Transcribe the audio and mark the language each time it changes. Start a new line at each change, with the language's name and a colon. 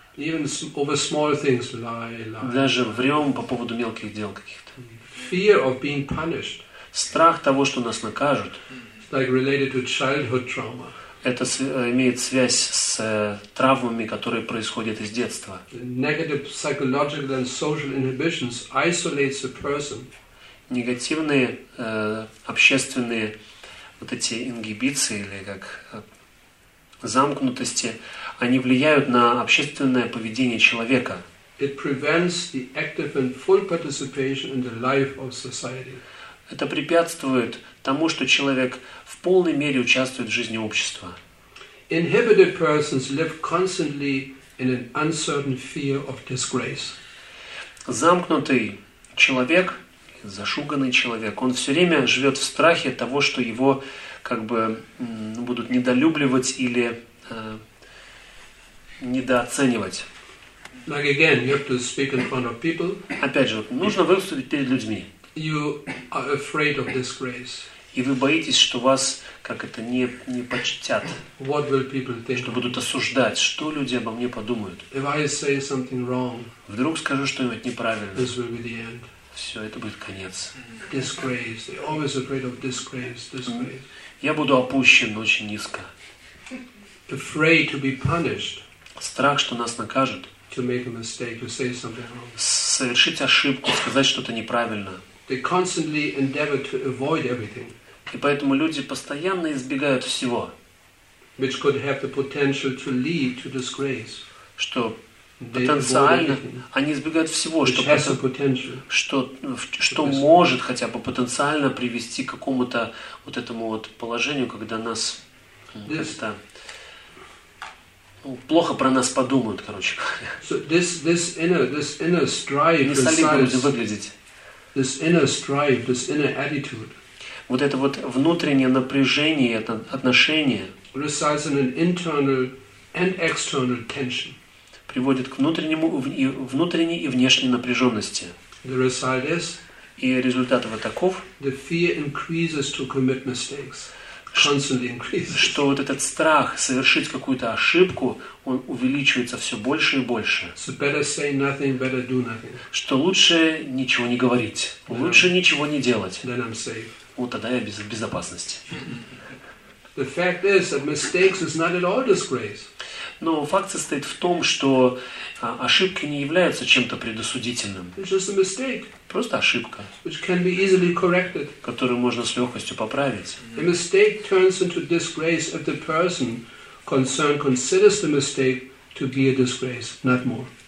English: Even over small things, lie.
Russian: Даже врём по поводу мелких дел каких-то.
English: Fear of being punished.
Russian: Страх того, что нас накажут.
English: Like related to childhood trauma.
Russian: Это имеет связь с травмами, которые происходят из детства.
English: Negative psychological and social inhibitions isolates a person.
Russian: Негативные общественные вот эти ингибиции или как замкнутости, они влияют на общественное поведение человека.
English: It prevents the active and full participation in the life of society.
Russian: Это препятствует тому, что человек в полной мере участвует в жизни общества.
English: Inhibited persons live constantly in an uncertain fear of disgrace.
Russian: Замкнутый человек, зашуганный человек, он все время живет в страхе того, что его как бы будут недолюбливать или недооценивать.
English: Like again, you have to speak in front of people.
Russian: Опять же, нужно выступить перед людьми.
English: You are afraid of disgrace.
Russian: И вы боитесь, что вас как это не почтят.
English: What will people think?
Russian: Что будут осуждать, что люди обо мне подумают.
English: If I say something wrong,
Russian: вдруг скажу что-нибудь неправильно.
English: This will be the end.
Russian: Все, это будет конец.
English: Disgrace. They're always afraid of disgrace. Disgrace.
Russian: Я буду опущен очень низко.
English: Afraid to be punished.
Russian: Страх, что нас накажут.
English: To make a mistake, to say something wrong.
Russian: Совершить ошибку, сказать что-то неправильно.
English: They constantly endeavor to avoid everything.
Russian: И поэтому люди постоянно избегают всего.
English: Which could have the potential to lead to disgrace.
Russian: Что потенциально, они избегают всего, что может хотя бы потенциально привести к какому-то вот этому вот положению, когда нас как-то, ну, плохо про нас подумают, короче говоря.
English: So this inner strife,
Russian: не стали бы люди выглядеть.
English: This inner strife, this inner attitude,
Russian: вот это вот внутреннее напряжение, это отношение
English: resides in an internal and external tension.
Russian: Приводит к внутреннему, внутренней и внешней напряженности.
English: The result is,
Russian: и результат его таков,
English: the fear increases to commit mistakes, constantly increases.
Russian: Что вот этот страх совершить какую-то ошибку, он увеличивается все больше и больше.
English: So better say nothing, better do nothing.
Russian: Что лучше ничего не говорить,
English: then
Russian: лучше ничего не делать.
English: Then I'm safe.
Russian: Вот тогда я в безопасности.
English: The fact is that mistakes is not at all disgrace.
Russian: Но факт состоит в том, что ошибки не являются чем-то предосудительным.
English: It's just a mistake.
Russian: Просто ошибка,
English: which can be easily corrected.
Russian: Которую можно с легкостью поправить.
English: A mistake turns into disgrace if the person concerned considers the mistake to be a disgrace, not more.